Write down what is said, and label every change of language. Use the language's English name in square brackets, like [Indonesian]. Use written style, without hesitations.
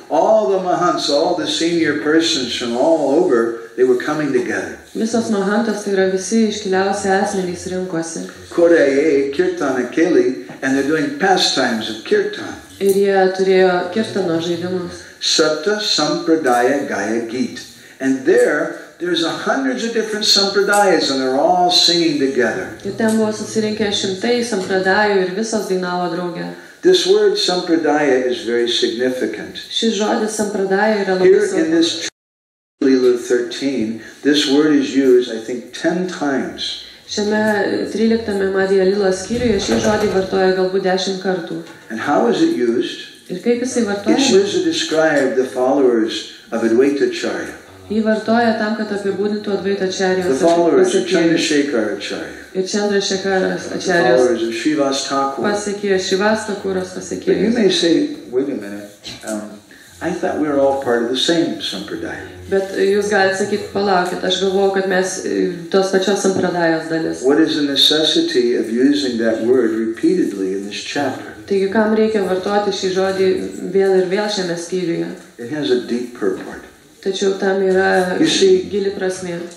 [English] All the mahants, all the senior persons from all over, they were coming together. [Lithuanian] Visos mahantos, tai yra visi iškiliausi asmenys rinkosi. [Bangla] Koreye kirtana keli, [English] and they're doing pastimes of kirtan. Ir jie turėjo kirtano žaidimus. [Bangla] Sapta sampradaya gaya geet. [English] And there's hundreds of different sampradayas, and they're all singing together. [Lithuanian] Ir ten buvo susirinkę šimtai sampradajų, ir visos dainavo drauge. [English] This word sampradaya is very significant. [Lithuanian] Šis žodis sampradaya yra labai svarbus. [English] Here in this Lila 13, this word is used, I think, 10 times. [Lithuanian] Šiame 13-ame Madhya Lila skyriuje šį žodį vartoja galbūt 10 kartų. [English] And how is it used? [Lithuanian] Ir kaip jisai vartojamas? [English] It's used to describe the followers of Advaita Acharya. [Lithuanian] Jį vartoja tam, kad apibūdintų Advaita Acharyos. [English] The followers of Chandrasekhar Acharya. [Lithuanian] Ir Chandrasekharas Acharyos. [English] The followers of Srivas Thakur. [Lithuanian] Pasekėjo Srivas Thakuras pasekėjo. [English] But you may say, wait a minute, I thought we were all part of the same sampradaya. [Lithuanian] Bet jūs galite sakyti, palaukit, aš galvojau, kad mes tos pačios sampradajos dalis. [English] What is the necessity of using that word repeatedly in this chapter? [Lithuanian] Taigi kam reikia vartoti šį žodį vėl ir vėl šiame skyriuje? [English] It has a deep purport. [Lithuanian] Tačiau tam yra gili prasmė.